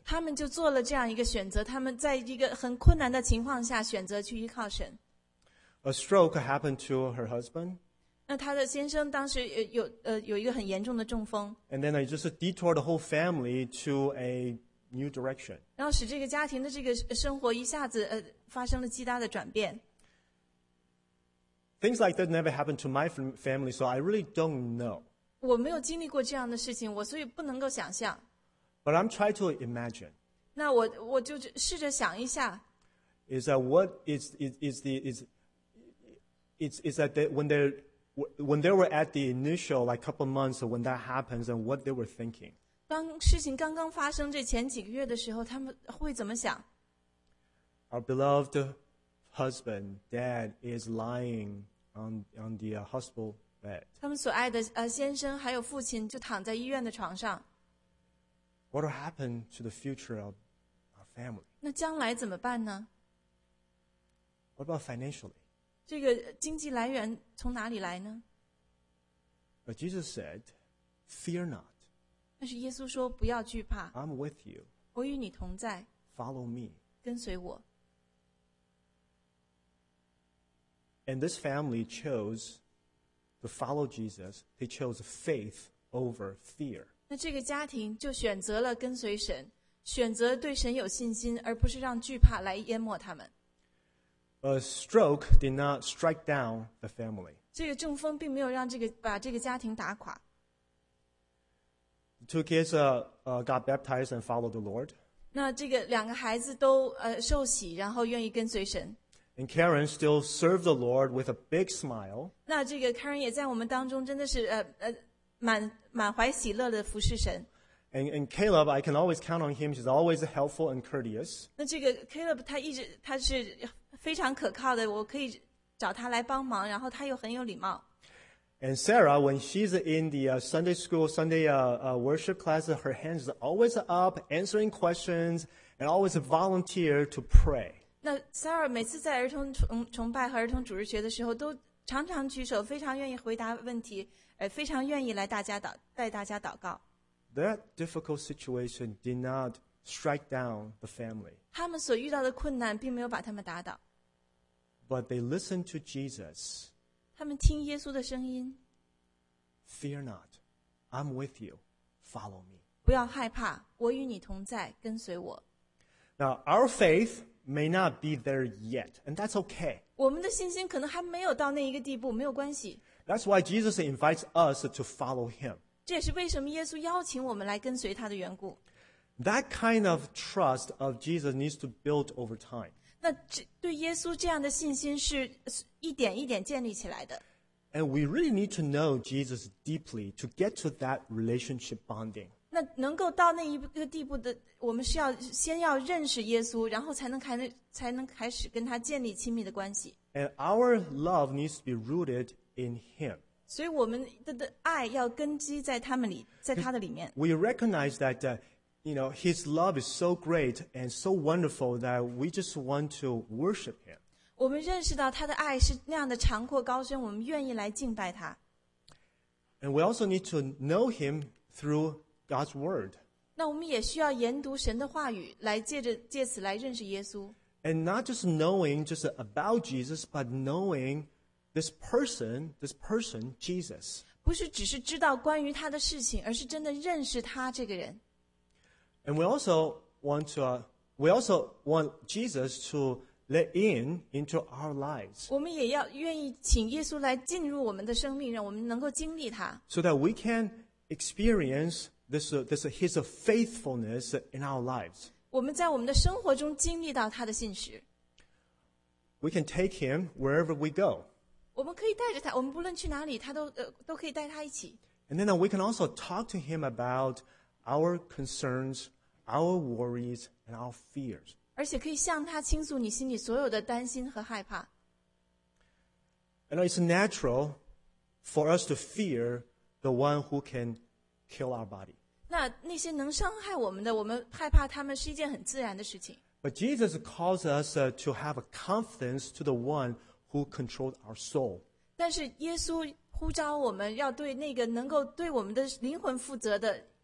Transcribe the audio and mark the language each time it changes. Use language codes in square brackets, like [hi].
[zh] 他们就做了这样一个选择，他们在一个很困难的情况下选择去依靠神。 [en] A stroke happened to her husband. [zh] 那她的先生当时有一个很严重的中风。 [en] And then it just detoured the whole family to a new direction. [zh] 然后使这个家庭的这个生活一下子发生了极大的转变。 [en] Things like that never happened to my family, so I really don't know. [zh] 我没有经历过这样的事情，我所以不能够想象。 [en] But I'm trying to imagine. [zh] 那我就试着想一下。 [en] is that what is that they, when they were at the initial like couple months or when that happens and what they were thinking. [zh] 当事情刚刚发生这前几个月的时候，他们会怎么想？ [en] Our beloved husband, dad is lying on the hospital bed. [zh] 他们所爱的先生还有父亲就躺在医院的床上。 [en] What will happen to the future of our family? [zh] 那将来怎么办呢？ [en] What about financially? [zh] 这个经济来源从哪里来呢？ [en] But Jesus said, "Fear not." [zh] 但是耶稣说不要惧怕 [en] I'm with you. [zh] 我与你同在 [en] Follow me. [zh] 跟随我 [en] And this family chose to follow Jesus. They chose faith over fear. [zh] 那这个家庭就选择了跟随神选择对神有信心而不是让惧怕来淹没他们 [en] A stroke did not strike down the family. [zh] 这个中风并没有让这个把这个家庭打垮 [en] Two kids got baptized and followed the Lord. [zh] 那这个两个孩子都受洗，然后愿意跟随神。 [en] And Karen still served the Lord with a big smile. [zh] 那这个 Karen 也在我们当中，真的是满怀喜乐的服侍神。 [en] And Caleb, I can always count on him. He's always helpful and courteous. [zh] 那这个 Caleb 他是非常可靠的，我可以找他来帮忙，然后他又很有礼貌。 [en] And Sarah, when she's in the Sunday school, Sunday worship class, her hands are always up, answering questions, and always volunteer to pray. [zh] 那 Sarah 每次在儿童崇拜和儿童主日学的时候，都常常举手，非常愿意回答问题，非常愿意来带大家祷告。 [en] That difficult situation did not strike down the family. [zh] 他们所遇到的困难并没有把他们打倒。 [en] But they listened to Jesus. [zh] 他们听耶稣的声音。 [en] Fear not, I'm with you. Follow me. [zh] 不要害怕，我与你同在，跟随我。 [en] Now our faith may not be there yet, and that's okay. [zh] 我们的信心可能还没有到那一个地步，没有关系。 [en] That's why Jesus invites us to follow him. [zh] 这也是为什么耶稣邀请我们来跟随他的缘故。 [en] That kind of trust of Jesus needs to build over time. [zh] 那对耶稣这样的信心是一点一点建立起来的。 [en] And we really need to know Jesus deeply to get to that relationship bonding. [zh] 那能够到那一个地步的，我们是要先要认识耶稣，然后才能开始跟他建立亲密的关系。 [en] And our love needs to be rooted in him. [zh] 所以我们的爱要根基在他们里，在他的里面。 [en] We recognize that. You know, his love is so great and so wonderful that we just want to worship him. [zh] 我们认识到他的爱是那样的长阔高深，我们愿意来敬拜他。 [en] And we also need to know him through God's word. [zh] 那我们也需要研读神的话语，来借此来认识耶稣。 [en] And not just knowing just about Jesus, but knowing this person, Jesus. [zh] 不是只是知道关于他的事情，而是真的认识他这个人。 [en] And we also want to, we also want Jesus to let in into our lives. [zh] 我们也要愿意请耶稣来进入我们的生命，让我们能够经历他。 [en] So that we can experience this His faithfulness in our lives. [zh] 我们在我们的生活中经历到他的信实。 [en] We can take Him wherever we go. [zh] 我们可以带着他，我们不论去哪里，他都可以带他一起。 [en] And then we can also talk to Him about. Our concerns, our worries, and our fears. [zh] 而且可以向他倾诉你心里所有的担心和害怕。 [en] And it's natural for us to fear the one who can kill our body. [zh] 那些能伤害我们的，我们害怕他们是一件很自然的事情。 [en] But Jesus calls us to have a confidence to the one who controls our soul. [zh] 但是耶稣呼召我们要对那个能够对我们的灵魂负责的。